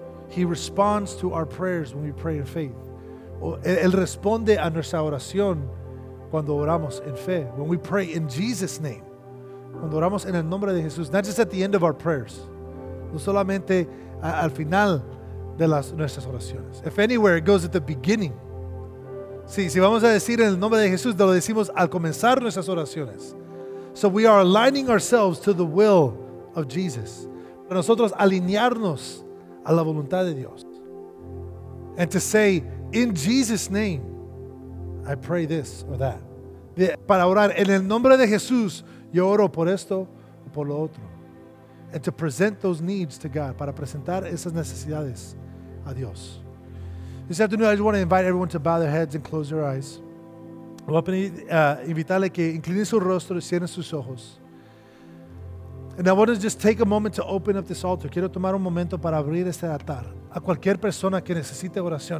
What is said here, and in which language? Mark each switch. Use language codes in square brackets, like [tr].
[en] He responds to our prayers when we pray in faith. [es] Él responde a nuestra oración cuando oramos en fe, [en] when we pray in Jesus' name, [es] cuando oramos en el nombre de Jesús, [en] not just at the end of our prayers, [es] no solamente al final de nuestras oraciones. [en] If anywhere, it goes at the beginning. [es] Si vamos a decir en el nombre de Jesús, lo decimos al comenzar nuestras oraciones. [en] So we are aligning ourselves to the will of Jesus. [es] Para nosotros alinearnos a la voluntad de Dios. [en] And to say, in Jesus' name, I pray this or that. [es] Para orar en el nombre de Jesús, yo oro por esto o por lo otro. [en] And to present those needs to God, [es] para presentar esas necesidades a Dios. [en] This afternoon, I just want to invite everyone to bow their heads and close their eyes. [es] Voy a invitarle que incline su rostro y cierre sus ojos. [en] And I want to just take a moment to open up this altar. [es] Quiero tomar un momento para abrir este altar a cualquier persona que necesite oración.